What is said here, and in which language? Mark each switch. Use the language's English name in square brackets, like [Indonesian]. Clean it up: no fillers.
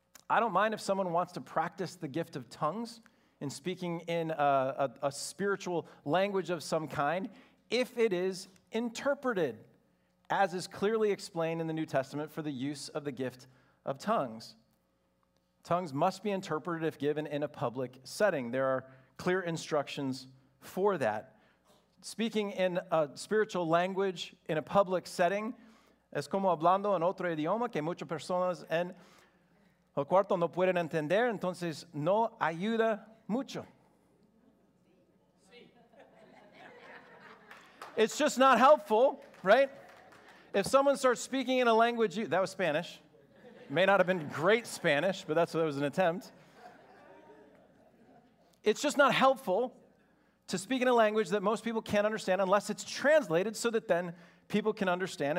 [English] I don't mind if someone wants to practice the gift of tongues and speaking in a spiritual language of some kind, if it is interpreted as is clearly explained in the New Testament for the use of the gift of tongues. Tongues must be interpreted if given in a public setting. There are clear instructions for that. Speaking in a spiritual language in a public setting, [Spanish] es como hablando en otro idioma que muchas personas en el cuarto no pueden entender, entonces no ayuda mucho. [English] It's just not helpful, right? If someone starts speaking in a language, that was Spanish. May not have been great Spanish, but that's what it was an attempt. It's just not helpful to speak in a language that most people can't understand unless it's translated so that then people can understand.